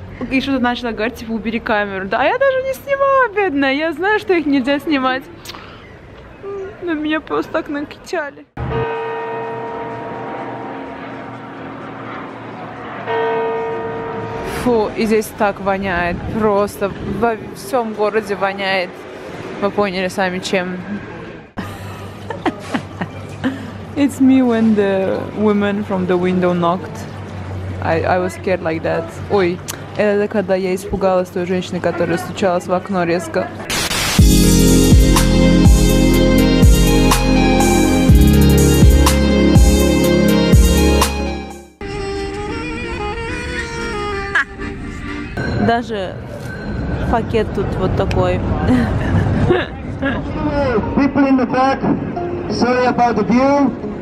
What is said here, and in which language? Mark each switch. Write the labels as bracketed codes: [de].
[ru] и что-то начала говорить, типа, убери камеру. Да, я даже не снимала, бедная, я знаю, что их нельзя снимать. Но меня просто так накачали. Фу, и здесь так воняет, просто во всем городе воняет. Вы поняли сами, чем. [en] It's me when the woman from the window knocked. I was scared like that. [ru] Ой, это когда я испугалась той женщины, которая стучалась в окно резко. Даже пакет тут вот такой. [en] People in the back, sorry about the view.